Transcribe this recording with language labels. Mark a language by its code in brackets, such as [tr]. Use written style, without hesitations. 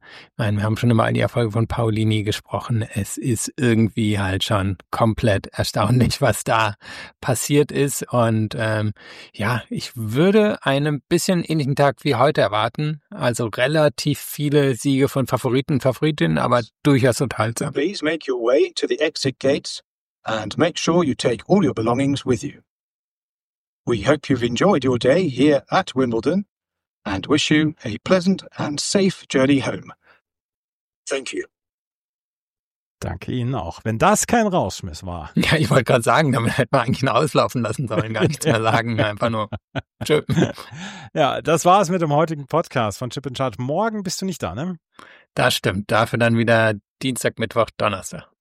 [de] Ich meine, wir haben schon immer all die Erfolge von Paolini gesprochen. Es ist irgendwie halt schon komplett erstaunlich, was da passiert ist. Und ja, ich würde einen bisschen ähnlichen Tag wie heute erwarten. Also relativ viele Siege von Favoriten, Favoritinnen, aber durchaus total. [en] Please make your way to the exit gates and make sure you take all your belongings with you. We hope you've enjoyed your day here at Wimbledon and wish you a pleasant and safe journey home. Thank you. [de] Danke Ihnen auch, wenn das kein Rauschmiss war. Ja, ich wollte gerade sagen, damit hätte man eigentlich nur auslaufen lassen sollen, gar nichts mehr sagen, einfach nur tschö. Ja, das war es mit dem heutigen Podcast von Chip and Charge. Morgen bist du nicht da, ne? Das stimmt, dafür dann wieder Dienstag, Mittwoch, Donnerstag.